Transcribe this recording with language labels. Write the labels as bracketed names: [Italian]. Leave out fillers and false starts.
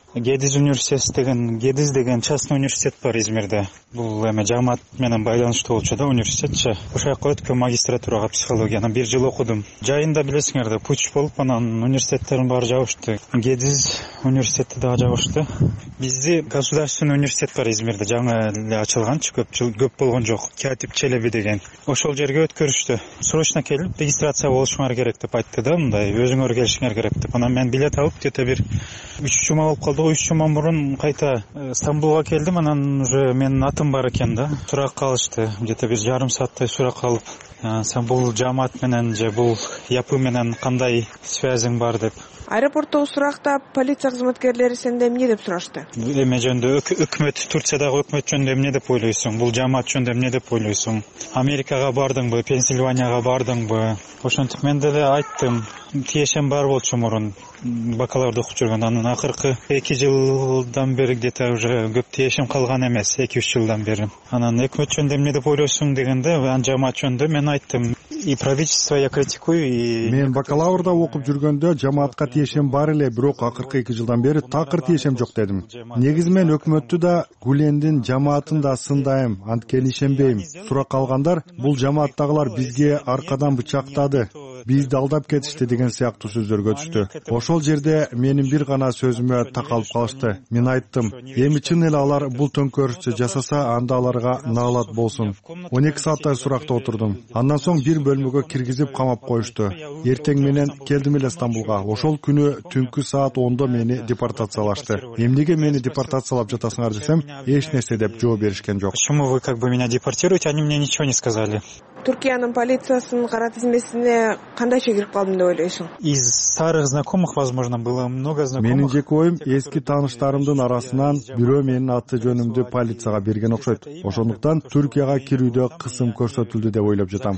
[Kyrgyz] Гедиз университети деген, Гедиз деген частный университет бар Измирде. Бул эми жамаат менен байланыштуу болчу да университетчи. Ошо жакка өткөм магистратурага психологияны, бир жыл окудум. Жайында билесиңер да, пуч болуп анан университеттердин баары жабышты. Гедиз университети дагы жабышты. Бизди государственный университет бар Измирде, жаңы эле ачылганчы, көп жыл көп болгон жок. Катип Челеби деген. Ошол жерге өткөрүштү. Срочно келип регистрация болушуңар керек деп айтты да, мындай өзүңөр келишиңер керек деп. Анан мен билет алып кете бир 3 жума болуп калды. 3 жума мурун кайта Стамбулга келдим. Анан уже менин атым бар экен да. Суракка алышты. Кете бир жарым сааттай суракка алып, сен бул жамаат менен же бул япы менен кандай связиң бар деп. Аэропортто сурактап, полиция кызматкерлери сенден эмне деп сурашты? Эме жөнүндө өкмөт, Турциядагы өкмөт жөнүндө эмне деп ойлойсуң? Бул жамаат жөнүндө эмне деп ойлойсуң? Америкага бардыңбы? Пенсильванияга бардыңбы? Ошентип мен деле айттым. Тиешем бар болчу мурун. Бакалаврда окуп жүргөн, анан акыркы 2 жылдан бери кете уже көп тиешем калган эмес, 2-3 жылдан бери. Анан өкмөт жөнүндө эмне деп ойлойсуң дегенде, ан жамаат жөнүндө мен айттым. [Russian] И правительство я критикую, и [Kyrgyz] мен бакалаврда окуп жүргөндө жамаатка тиешем бар эле, бирок акыркы 2 жылдан бери такыр тиешем жок дедим. Негизи мен өкмөттү да, Гүлендин жамаатын да сындайм, анткени ишенбейм. Сурак алгандар, бул жамааттагылар бизге аркадан бычактады, бизди алдап кетишти деген сыяктуу сөздөргө түштү. Ошол жерде менин бир гана сөзүмө такалып калышты. Мен айттым, эми чын эле алар бул төңкөрүштү жасаса, анда аларга наалат болсун. 12 сааттай суракта отурдум. Андан соң бир бөлмөгө киргизип камап коюшту. Эртең менен келдим эле Стамбулга. Ошол күнү түнкү саат 10:00 мени депортациялашты. Эмнеге мени депортациялап жатасыңар десем, эч нерсе деп жооп беришкен жок. [Russian] Почему вы как бы меня депортируете, они мне ничего не сказали? [Kyrgyz] Түркиянын полициясынын кара тизмесине кандайча кирип калдым деп ойлойсуң? [Russian] Из старых знакомых, возможно, было много знакомых. [Kyrgyz] Менин жеке оюм, эски тааныштарымдын арасынан бирөө менин аты жөнүмдү полицияга берген окшойт. Ошондуктан Түркияга кирүүдө кысым көрсөтүлдү деп ойлоп жатам.